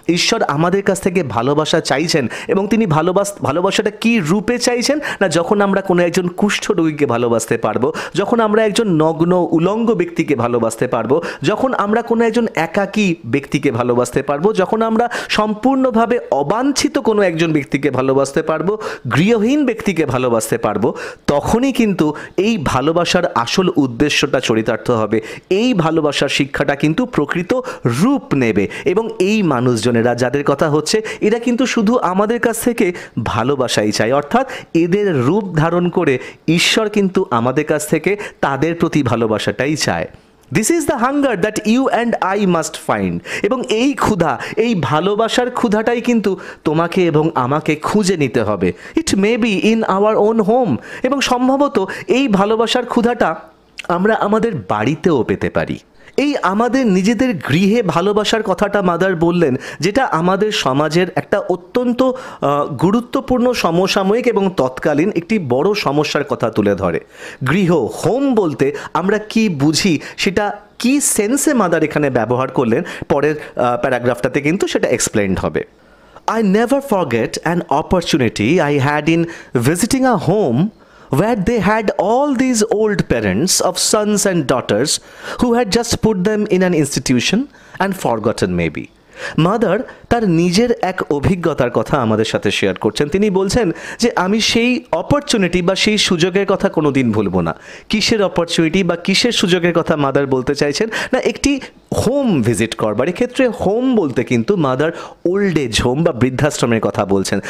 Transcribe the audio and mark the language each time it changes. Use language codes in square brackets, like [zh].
[bn] ঈশ্বর আমাদের কাছ থেকে ভালোবাসা চাইছেন, এবং তিনি ভালোবাসাটা কী রূপে চাইছেন, না যখন আমরা কোনো একজন কুষ্ঠ রোগীকে ভালোবাসতে পারবো, যখন আমরা একজন নগ্ন উলঙ্গ ব্যক্তিকে ভালোবাসতে পারবো, যখন আমরা কোনো একজন একাকী ব্যক্তিকে ভালোবাসতে পারবো, যখন আমরা সম্পূর্ণভাবে অবাঞ্ছিত কোনো একজন ব্যক্তিকে ভালোবাসতে পারবো, গৃহহীন ব্যক্তিকে ভালোবাসতে পারবো, তখনই কিন্তু এই ভালোবাসার আসল উদ্দেশ্যটা চরিতার্থ হবে, এই ভালোবাসার শিক্ষাটা কিন্তু প্রকৃত রূপ নেবে। এবং এই মানুষজনেরা যাদের কথা হচ্ছে, এরা কিন্তু শুধু আমাদের কাছ থেকে ভালোবাসাই চায়, অর্থাৎ এদের রূপ ধারণ করে ঈশ্বর কিন্তু আমাদের কাছ থেকে তাদের প্রতি ভালোবাসাটাই চায়। [en] This is the hunger that you and I must find. [bn] এবং এই ক্ষুধা, এই ভালোবাসার ক্ষুধাটাই কিন্তু তোমাকে এবং আমাকে খুঁজে নিতে হবে। [en] It may be in our own home. [bn] এবং সম্ভবত এই ভালোবাসার ক্ষুধাটা আমরা আমাদের বাড়িতেও পেতে পারি। এই আমাদের নিজেদের গৃহে ভালোবাসার কথাটা মাদার বললেন, যেটা আমাদের সমাজের একটা অত্যন্ত গুরুত্বপূর্ণ সমসাময়িক এবং তৎকালীন একটি বড় সমস্যার কথা তুলে ধরে। গৃহ, হোম বলতে আমরা কী বুঝি, সেটা কী সেন্সে মাদার এখানে ব্যবহার করলেন, পরের প্যারাগ্রাফটাতে কিন্তু সেটা এক্সপ্লেইনড হবে। [en] I never forget an opportunity I had in visiting a home where they had all these old parents of sons and daughters who had just put them in an institution and forgotten maybe. [bn] Mother তার নিজের এক অভিজ্ঞতার কথা আমাদের সাথে share করছেন। তিনি বলছেন যে আমি সেই অপরচুনিটি বা সেই সুযোগের কথা কোনো দিন ভুলবো না। কিসের অপরচুনিটি বা কিসের সুযোগের কথা মাদার বলতে চাইছেন, না একটি হোম ভিজিট করবার। এক্ষেত্রে হোম বলতে কিন্তু মাদার ওল্ড এজ হোম বা বৃদ্ধাশ্রমের কথা বলছেন।